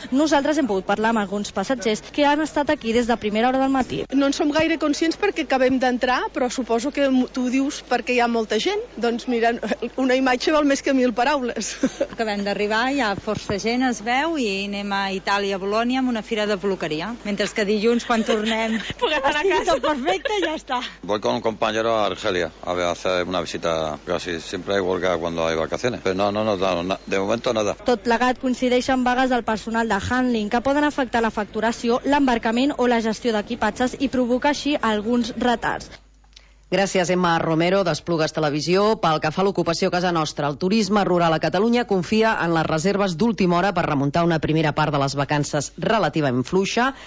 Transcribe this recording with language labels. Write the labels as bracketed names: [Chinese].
[Catalan] Nosaltres hem pogut parlar amb alguns passatgers que han estat aquí des de primera hora del matí. No en som gaire conscients perquè acabem d'entrar, però suposo que tu dius perquè hi ha molta gent. Doncs mira, una imatge val més que mil paraules. Acabem d'arribar, hi ha força gent, es veu, i anem a Itàlia, a Bolònia, amb una fira de peluqueria. Mentre que dilluns, quan tornem, puguem anar a casa. Estic perfecte, ja està. [Spanish] Voy con un compañero a Argelia a hacer una visita. Casi siempre hay huelga cuando hay vacaciones. Pero no, de momento nada. [Catalan] Tot plegat coincideix amb vagues del personal de handling que poden afectar la facturació, l'embarcament o la gestió d'equipatges i provoca així alguns retards. Gràcies, Emma Romero, d'Esplugues Televisió. Pel que fa a l'ocupació a casa nostra, el turisme rural a Catalunya confia en les reserves d'última hora per remuntar una primera part de les vacances relativament fluixa.